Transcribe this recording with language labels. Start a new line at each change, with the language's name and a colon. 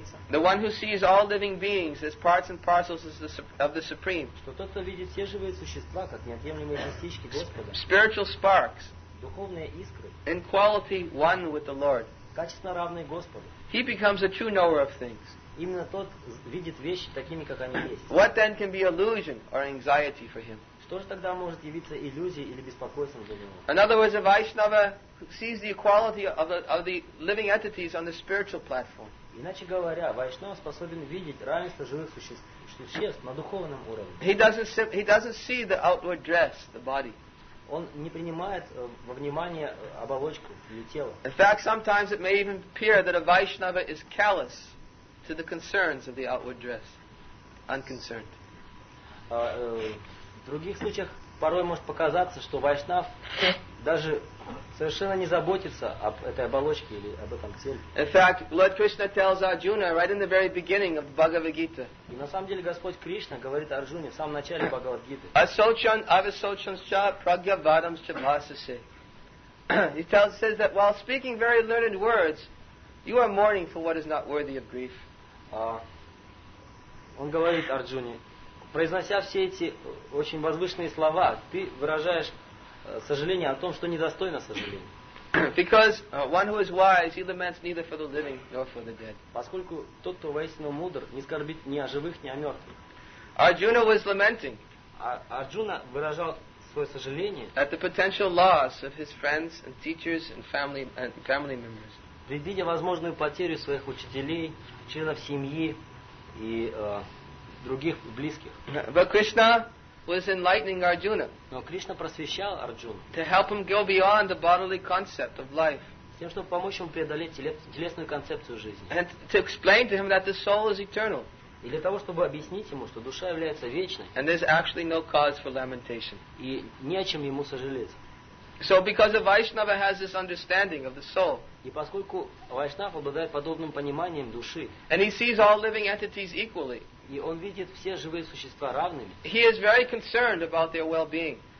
English: The one who sees all living beings as parts and parcels of the Supreme.
Russian: Что тот, кто видит все живые существа как неотъемлемые частички Господа.
English: Spiritual sparks.
Russian: Духовные искры.
English: In quality one with the Lord.
Russian: Качественно равные Господу.
English: He becomes a true knower of things.
Russian: Именно тот видит вещи такими, как они есть.
English: What then can be illusion or anxiety for him?
Russian: Что же тогда может явиться иллюзией или беспокойством для него?
English: In other words, a Vaishnava sees the equality of the living entities on the spiritual platform.
Russian: Иначе говоря, Вайшнава способен видеть равенство живых существ на духовном уровне.
English: He doesn't see the outward dress, the body.
Russian: Он не принимает во внимание оболочку или тело.
English: In fact, sometimes it may even appear that a Vaishnava is callous to the concerns of the outward dress, unconcerned.
Russian: В других случаях порой может показаться, что Вайшнав даже совершенно не заботится об этой оболочке или об этом теле.
English: In fact, Lord Krishna tells Arjuna right in the very beginning of Bhagavad Gita.
Russian: И на самом деле Господь Кришна говорит Арджуне в самом начале Бхагавад Гиты.
Sanskrit: Asochan avasochanscha pragyavadamscha bhasase.
English: He says that while speaking very learned words, You are mourning for what is not worthy of grief.
Russian: Он говорит Арджуне, произнося все эти очень возвышенные слова, ты выражаешь сожаление о том, что недостойно сожаления.
English: Because one who is wise, he laments neither for the living nor for the dead.
Russian: Поскольку тот, кто воистину мудр, не скорбит ни о живых, ни о мертвых.
English: Arjuna was lamenting.
Russian: Арджуна выражал свое сожаление.
English: At the potential loss of his friends and teachers and family members.
Russian: Предвидя возможную потерю своих учителей, членов семьи и других близких.
English: But Krishna was enlightening Arjuna.
Russian: Но Кришна просвещал Арджуну.
English: To help him go beyond the bodily concept of life.
Russian: Тем, чтобы помочь ему преодолеть телесную концепцию жизни.
English: And to explain to him that the soul is eternal.
Russian: И для того, чтобы объяснить ему, что душа является вечной.
English: And there's actually no cause for lamentation.
Russian: И не о чем ему сожалеть.
English: So because a Vaishnava has this understanding of the soul.
Russian: И поскольку Вайшнав обладает подобным пониманием души.
English: And he sees all living entities equally.
Russian: И он видит все живые существа равными.
English: He is very concerned about their well-being.